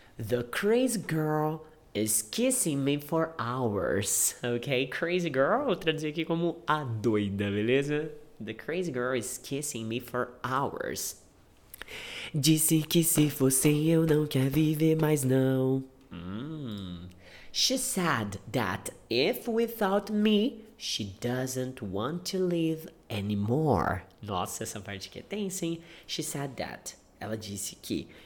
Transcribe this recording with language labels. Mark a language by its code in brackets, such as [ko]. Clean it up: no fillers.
[en] The crazy girl is kissing me for hours. Ok? [pt] Crazy girl, vou traduzir aqui como a doida, beleza? [en] The crazy girl is kissing me for hours. [pt] Disse que se fossem eu não quer viver mais não. [en] She said that if without me, she doesn't want to live anymore. [pt] Nossa, essa parte aqui é tensa, hein? [en] She said that. [pt] Ela disse que.